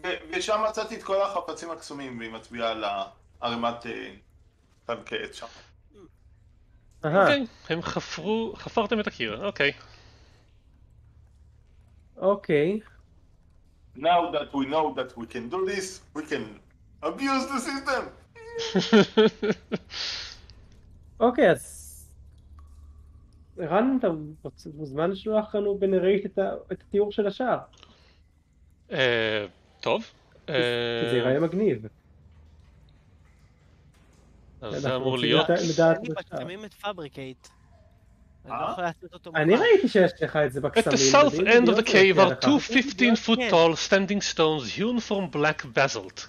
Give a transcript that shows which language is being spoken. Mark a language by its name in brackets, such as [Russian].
[Hebrew] ושם מצאתי את כל החפצים הקסומים והיא מצביעה על ערימת פאבריקייט שם. אוקיי, הם חפרו, חפרתם את הקיר, אוקיי. אוקיי. [English] Now that we know that we can do this, we can abuse the system! [Hebrew] אוקיי, אז... רן, אתה מוזמן לשלוח לנו בנרית את התיאור של השער? טוב. זה יראה מגניב. אז זה אמור להיות... אני בקסמים את פאבריקייט. אני ראיתי שיש לך את זה בקסמים. [English] At the south end of the cave are two 15 foot tall standing stones hewn from black basalt.